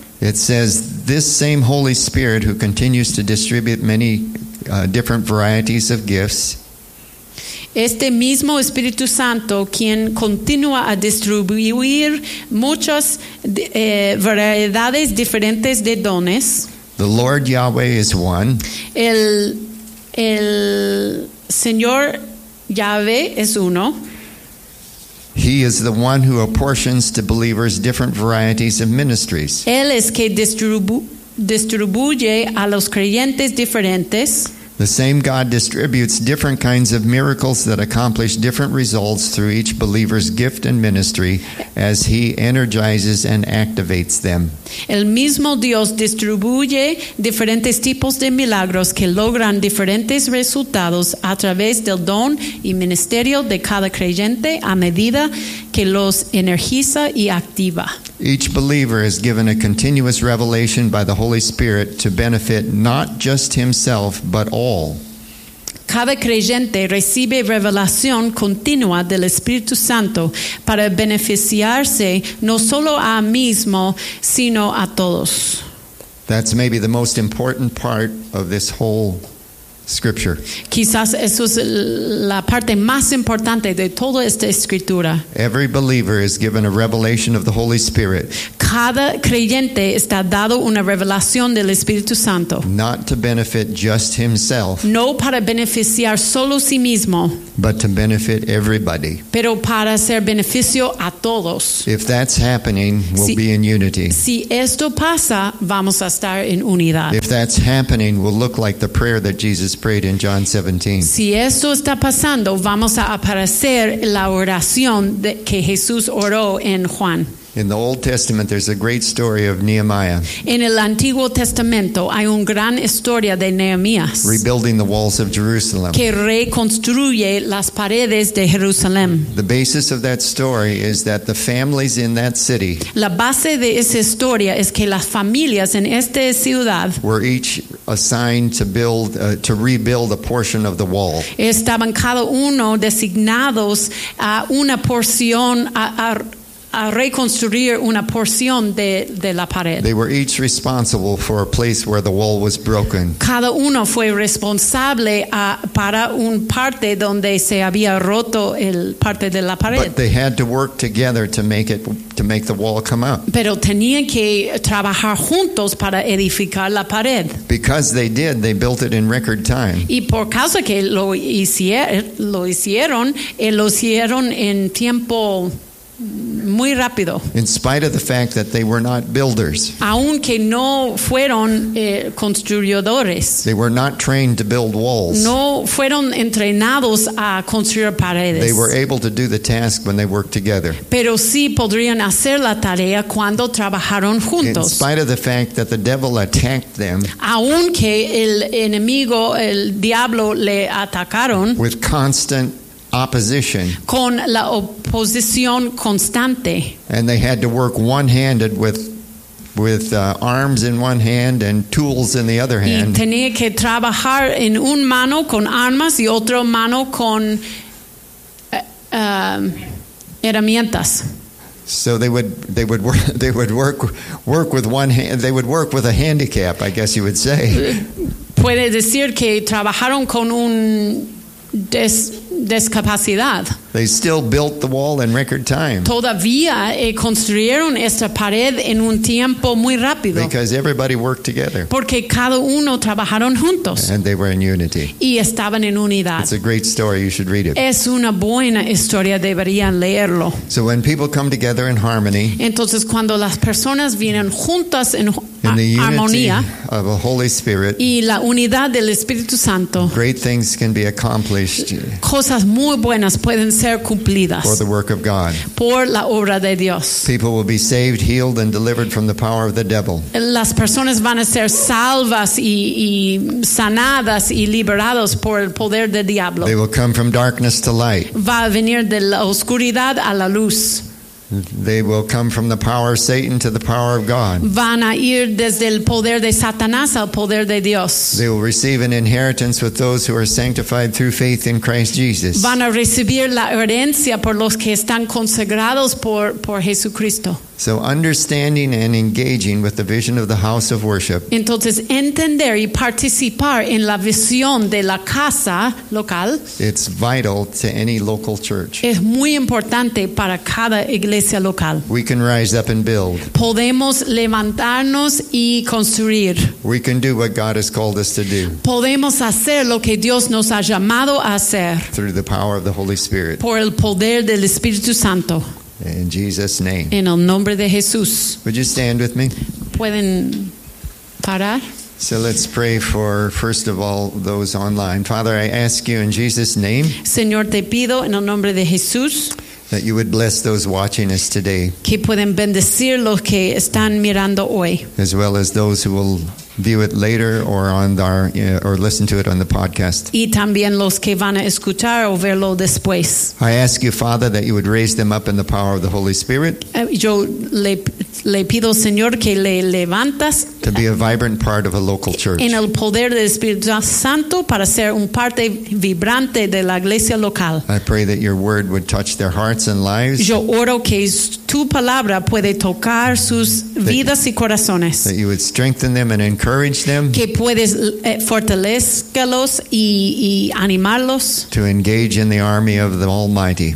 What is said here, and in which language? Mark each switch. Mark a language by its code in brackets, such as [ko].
[en] It says, "This same Holy Spirit who continues to distribute many different varieties of gifts." [es] Este mismo Espíritu Santo, quien continúa a distribuir muchas variedades diferentes de dones. [en] The Lord Yahweh is one. [es] El Señor Yahweh es uno. [en] He is the one who apportions to believers different varieties of ministries. [es] Él es que distribuye a los creyentes diferentes. [en] The same God distributes different kinds of miracles that accomplish different results through each believer's gift and ministry as he energizes and activates them. [es] El mismo Dios distribuye diferentes tipos de milagros que logran diferentes resultados a través del don y ministerio de cada creyente a medida que los energiza y activa. [en] Each believer is given a continuous revelation by the Holy Spirit to benefit not just himself, but all. [es] Cada creyente recibe revelación continua del Espíritu Santo para beneficiarse no solo a mismo, sino a todos. [en] That's maybe the most important part of this whole scripture. [es] Quizás eso es la parte más importante de toda esta escritura. [en] Every believer is given a revelation of the Holy Spirit. [es] Cada creyente está dado una revelación del Espíritu Santo. [en] Not to benefit just himself. [es] No para beneficiar solo sí mismo. [en] But to benefit everybody. [es] Pero para hacer beneficio a todos. [en] If that's happening, we'll be in unity. [es] Si esto pasa, vamos a estar en unidad. [en] If that's happening, we'll look like the prayer that Jesus prayed in John 17. [es] Si esto está pasando, vamos a aparecer la oración de que Jesús oró en Juan. [en] In the Old Testament, there's a great story of Nehemiah. [es] En el Antiguo Testamento hay una gran historia de Nehemías. [en] Rebuilding the walls of Jerusalem. [es] Que reconstruye las paredes de Jerusalén. [en] The basis of that story is that the families in that city. [es] La base de esa historia es que las familias en esta ciudad [en] were each assigned to build to rebuild a portion of the wall. [es] Estaban cada uno designados a una porción a reconstruir una porción de la pared. [en] They were each responsible for a place where the wall was broken. [es] Cada uno fue responsable para un parte donde se había roto el parte de la pared. [en] But they had to work together to make the wall come up. [es] Pero tenían que trabajar juntos para edificar la pared. [en] Because they did, they built it in record time. [es] Y por causa que lo hicieron en tiempo muy rápido. [en] In spite of the fact that they were not builders. [es] Aunque no fueron construyadores. [en] They were not trained to build walls. [es] No fueron entrenados a construir paredes. [en] They were able to do the task when they worked together. [es] Pero sí podrían hacer la tarea cuando trabajaron juntos. [en] In spite of the fact that the devil attacked them. [es] Aunque el enemigo, el diablo, le atacaron. [en] With constant opposition. [es] Con la oposición constante. [en] And they had to work one-handed with arms in one hand and tools in the other hand. [es] Y tenía que trabajar en un mano con armas y otro mano con herramientas. [en] So they would work with one hand. They would work with a handicap, I guess you would say. [es] Puede decir que trabajaron con un discapacidad. [en] They still built the wall in record time. [es] Todavía construyeron esta pared en un tiempo muy rápido. [en] Because everybody worked together. [es] Porque cada uno trabajaron juntos. [en] And they were in unity. [es] Y estaban en unidad. [en] It's a great story. You should read it. [es] Es una buena historia. Deberían leerlo. [en] So when people come together in harmony. [es] Entonces cuando las personas vienen juntas en [en] in the unity [es] armonía, [en] of the Holy Spirit, [es] y la unidad del Espíritu Santo, [en] great things can be accomplished. [es] Cosas muy buenas pueden ser cumplidas [en] for the work of God. [es] Por la obra de Dios. [en] People will be saved, healed, and delivered from the power of the devil. [es] Las personas van a ser salvas y sanadas y liberados por el poder del diablo. [en] They will come from darkness to light. [es] Va a venir de la oscuridad a la luz. [en] They will come from the power of Satan to the power of God. [es] Van a ir desde el poder de Satanás al poder de Dios. [en] They will receive an inheritance with those who are sanctified through faith in Christ Jesus. [es] Van a recibir la herencia por los que están consagrados por Jesucristo. [en] So understanding and engaging with the vision of the house of worship. [es] Entonces entender y participar en la visión de la casa local. [en] It's vital to any local church. [es] Es muy importante para cada iglesia local. [en] We can rise up and build. [es] Podemos levantarnos y construir. [en] We can do what God has called us to do. [es] Podemos hacer lo que Dios nos ha llamado a hacer. [en] Through the power of the Holy Spirit. [es] Por el poder del Espíritu Santo. [en] In Jesus' name. [es] En el nombre de Jesús. [en] Would you stand with me? [es] ¿Pueden parar? [en] So let's pray for, first of all, those online. Father, I ask you in Jesus' name. [es] Señor, te pido en el nombre de Jesús. [en] That you would bless those watching us today. [es] Que pueden bendecir los que están mirando hoy. [en] As well as those who will view it later or listen to it on the podcast. [es] Y también los que van a escuchar o verlo después. [en] I ask you, Father, that you would raise them up in the power of the Holy Spirit. [es] Yo le le pido, Señor, que le levantas [en] to be a vibrant part of a local church. [es] En el poder del Espíritu Santo para ser un parte vibrante de la iglesia local. [en] I pray that your word would touch their hearts and lives. [es] Yo oro que tu palabra puede tocar sus vidas y corazones. [en] That you would strengthen them and encourage them. [es] Que puedes fortalezcalos y animarlos. [en] To engage in the army of the Almighty.